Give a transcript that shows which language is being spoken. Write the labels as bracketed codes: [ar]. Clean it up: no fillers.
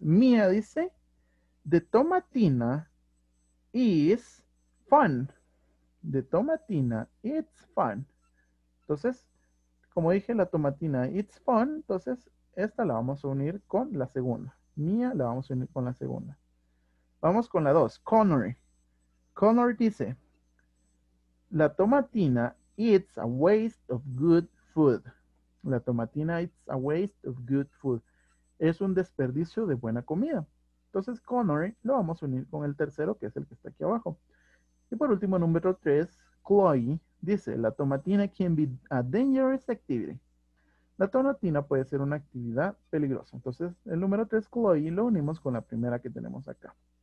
[en] Mia dice, the tomatina is fun. The tomatina, it's fun. [es] Entonces, como dije, [en] la tomatina, it's fun. [es] Entonces, esta la vamos a unir con la segunda. Mia la vamos a unir con la segunda. Vamos con la dos. Connor. [en] Connor dice, la tomatina, it's a waste of good food. La tomatina, it's a waste of good food. [es] Es un desperdicio de buena comida. Entonces, Connor lo vamos a unir con el tercero, que es el que está aquí abajo. Y por último, número 3, Chloe dice, la tomatina [en] can be a dangerous activity. [es] La tomatina puede ser una actividad peligrosa. Entonces, el número 3, Chloe, lo unimos con la primera que tenemos acá.